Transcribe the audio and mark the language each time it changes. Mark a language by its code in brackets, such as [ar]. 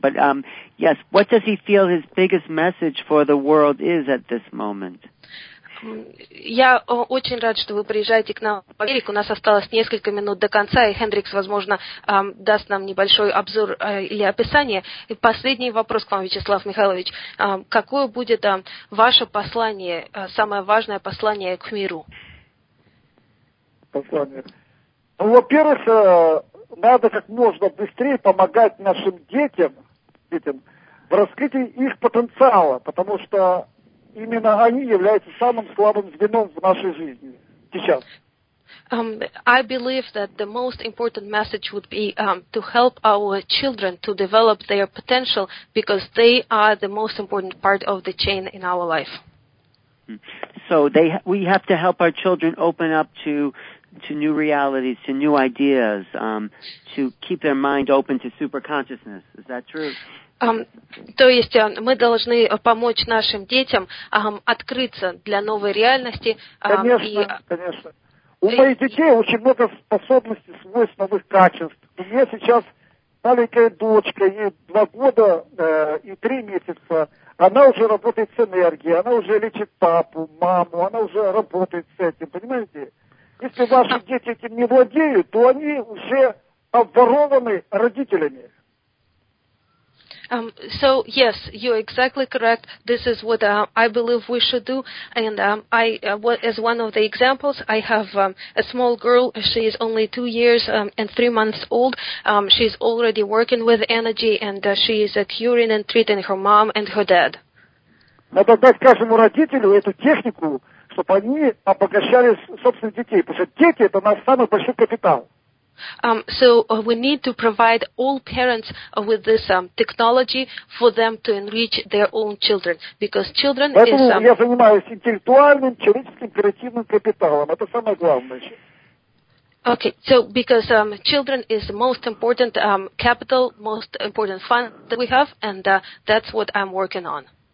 [en] But yes, what does he feel his biggest message for the world is at this moment? [ru] Я очень рад, что вы приезжаете к нам в Америку. У нас осталось несколько минут до конца, и Хендрикс, возможно, даст нам небольшой обзор или описание. И последний вопрос к вам, Вячеслав Михайлович. Какое будет ваше послание, самое важное послание к миру? Послание. Ну, во-первых, надо как можно быстрее помогать нашим детям в раскрытии их потенциала, потому что именно они являются самым слабым звеном в нашей жизни сейчас. [en] I believe that the most important message would be to help our children to develop their potential, because they are the most important part of the chain in our life. So we have to help our children open up to new realities, to new ideas, to keep their mind open to super consciousness. Is that true? [ru] То есть мы должны помочь нашим детям открыться для новой реальности. Конечно. У моих детей очень много способностей, свойств, новых качеств. У меня сейчас маленькая дочка, ей 2 года и 3 месяца. Она уже работает с энергией, она уже лечит папу, маму, она уже работает с этим, понимаете? Если ваши дети этим не владеют, то они уже обворованы родителями. [en] So, yes, you're exactly correct. This is what I believe we should do. And as one of the examples, I have a small girl. She is only 2 years and 3 months old. She's already working with energy, and she is curing and treating her mom and her dad. [ru] Надо дать каждому родителю эту технику, чтобы они обогащали собственных детей, потому что дети – это наш самый большой капитал. [en] We need to provide all parents with this technology for them to enrich their own children, because children [ru] Поэтому Поэтому я занимаюсь интеллектуальным, человеческим, креативным капиталом. Это самое главное. [en] Okay, so because children is the most important capital, most important fund that we have, and that's what I'm working on.